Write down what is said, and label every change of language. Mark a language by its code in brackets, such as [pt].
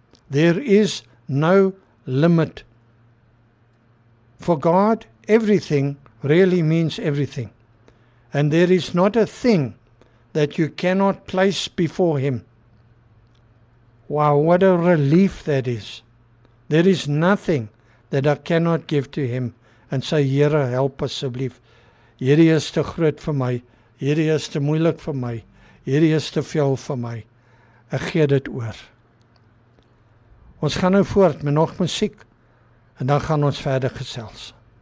[en] There is no limit. For God, everything really means everything. And there is not a thing that you cannot place before Him. Wow, what a relief that is. There is nothing that I cannot give to Him [af] en sê, Here, help asseblief. Hierdie is te groot vir my. Hierdie is te moeilik vir my. Hierdie is te veel vir my. Ek gee dit oor. Ons gaan nou voort met nog musiek en dan gaan ons verder gesels.